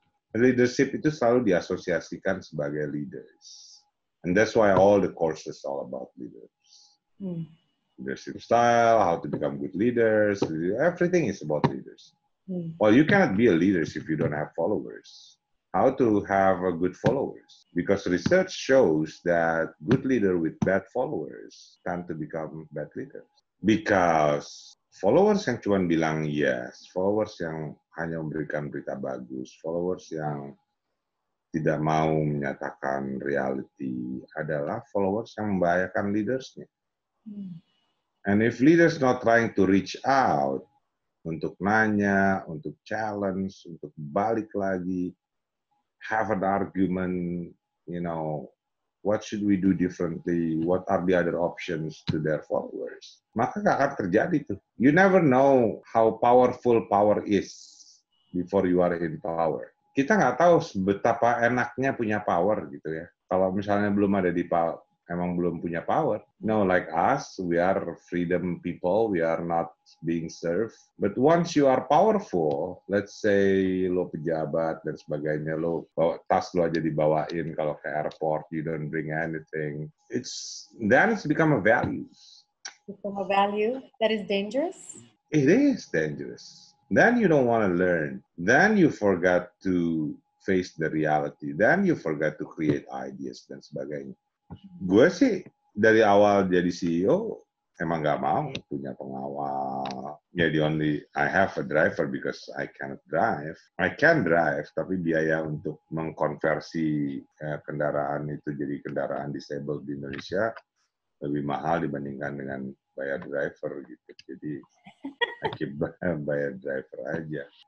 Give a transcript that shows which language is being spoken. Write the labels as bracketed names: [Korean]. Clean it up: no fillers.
[Indonesian] Leadership itu selalu diasosiasikan sebagai leaders. [English] And that's why all the courses all about leaders. Hmm. Leadership style, how to become good leaders, everything is about leaders. Well, you cannot be a leader if you don't have followers. How to have a good followers? Because research shows that good leader with bad followers tend to become bad leaders. [Indonesian] Because followers yang cuma bilang yes, followers yang hanya memberikan berita bagus, followers yang tidak mau menyatakan reality adalah followers yang membahayakan leadersnya. [English] And if leaders not trying to reach out, [Indonesian] untuk nanya, untuk challenge, untuk balik lagi, [English] have an argument, you know, what should we do differently, what are the other options to their followers. [Indonesian] Maka gak akan terjadi tuh. [English] You never know how powerful power is before you are in power. [Indonesian] Kita gak tahu betapa enaknya punya power gitu ya. Kalau misalnya belum ada di power, emang belum punya power. [English] No, like us, we are freedom people. We are not being served. But once you are powerful, let's say [Indonesian] lo pejabat dan sebagainya, lo bawa tas lo aja dibawain kalau ke airport, [English] you don't bring anything. It's become a value. Become a value that is dangerous? It is dangerous. Then you don't want to learn. Then you forgot to face the reality. Then you forgot to create ideas [Indonesian] dan sebagainya. Gue sih dari awal jadi CEO emang gak mau punya pengawal. [English] Yeah, the only I have a driver because I cannot drive. I can drive, [Indonesian] tapi biaya untuk mengkonversi kendaraan itu jadi kendaraan disabled di Indonesia lebih mahal dibandingkan dengan bayar driver gitu. Jadi [English] I keep [Indonesian] bayar driver aja.